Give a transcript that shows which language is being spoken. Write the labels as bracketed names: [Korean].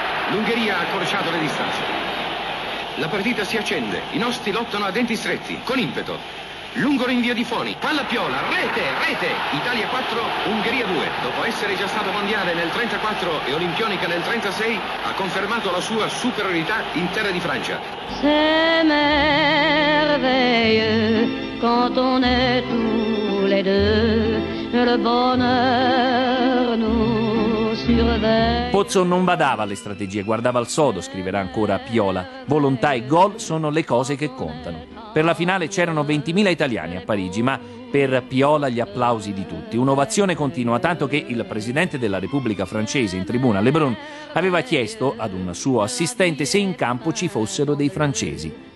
[Italian] L'Ungheria ha accorciato le distanze. La partita si accende, i nostri lottano a denti stretti, con impeto. Lungo rinvio di Foni, palla Piola, rete, rete! Italia 4, Ungheria 2. Dopo essere già stato mondiale nel 34 e olimpionica nel 36, ha confermato la sua superiorità in terra di Francia. [French] C'est merveilleux quand on est tous les deux, le bonheur nous surveille. [Italian] Pozzo non badava alle strategie, guardava al sodo, scriverà ancora Piola. Volontà e gol sono le cose che contano. Per la finale c'erano 20.000 italiani a Parigi, ma per Piola gli applausi di tutti. Un'ovazione continua, tanto che il presidente della Repubblica Francese in tribuna, Lebrun, aveva chiesto ad un suo assistente se in campo ci fossero dei francesi.